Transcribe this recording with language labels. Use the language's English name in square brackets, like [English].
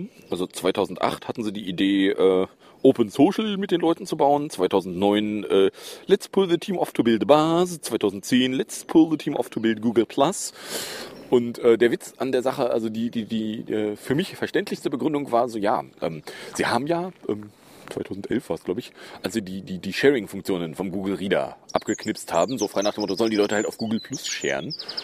[German] Also 2008 hatten sie die Idee, Open Social mit den Leuten zu bauen. [English] 2009, let's pull the team off to build the Buzz. 2010, let's pull the team off to build Google Plus. [German] Und der Witz an der Sache, also die für mich verständlichste Begründung war so, ja, sie haben ja 2011 war es, glaube ich, als sie die Sharing-Funktionen vom Google Reader abgeknipst haben, so frei nach dem Motto, sollen die Leute halt auf Google Plus sharen.